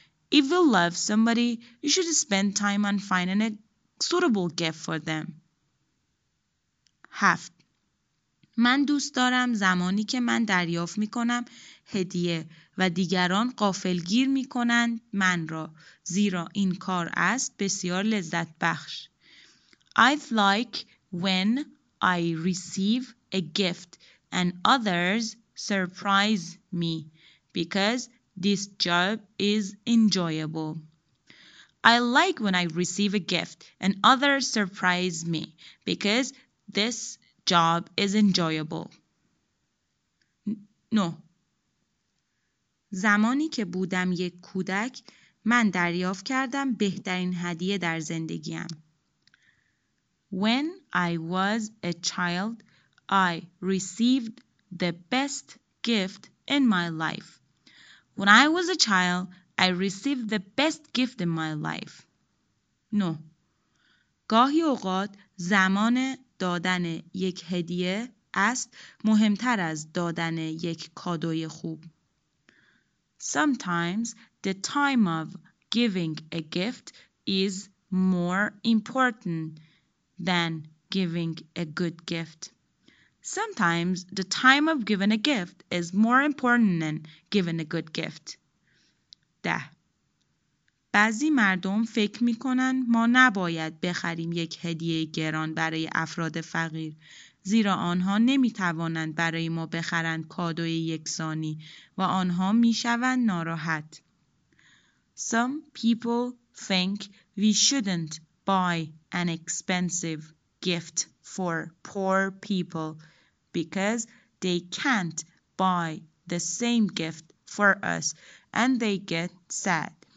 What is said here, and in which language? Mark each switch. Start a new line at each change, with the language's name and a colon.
English: If we love somebody, we should spend time on finding a suitable gift for them. 7.
Persian: من دوست دارم زمانی که من دریافت می‌کنم هدیه و دیگران غافلگیر می‌کنند من را زیرا این کار است بسیار لذت بخش.
English: I like when I receive a gift and others surprise me because this job is enjoyable. I like when I receive a gift and others surprise me because this job is enjoyable. No.
Persian: زمانی که بودم یک کودک من دریافت کردم بهترین هدیه در زندگیم.
English: When I was a child, I received the best gift in my life. When I was a child, I received the best gift in my life. No.
Persian: گاهی اوقات زمان دادن یک هدیه است مهمتر از دادن یک کادوی خوب.
English: Sometimes the time of giving a gift is more important than giving a good gift. Sometimes the time of giving a gift is more important than giving a good gift. 10.
Persian: بعضی مردم فکر می‌کنن ما نباید بخریم یک هدیه گران برای افراد فقیر زیرا آنها نمی‌توانند برای ما بخرند کادوی یکسانی و آنها می‌شوند ناراحت.
English: Some people think we shouldn't buy an expensive gift for poor people because they can't buy the same gift for us and they get sad.